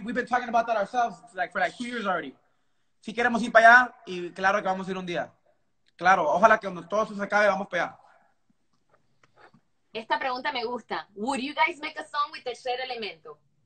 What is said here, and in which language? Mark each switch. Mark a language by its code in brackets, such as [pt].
[en] We've been talking about that ourselves like for like 2 years already. [es] Si queremos ir para allá, y claro que vamos a ir un día. Claro, ojalá que cuando todo eso se acabe, vamos para allá. Esta pregunta me gusta. [en] Would you guys make a song with Tercer Elemento?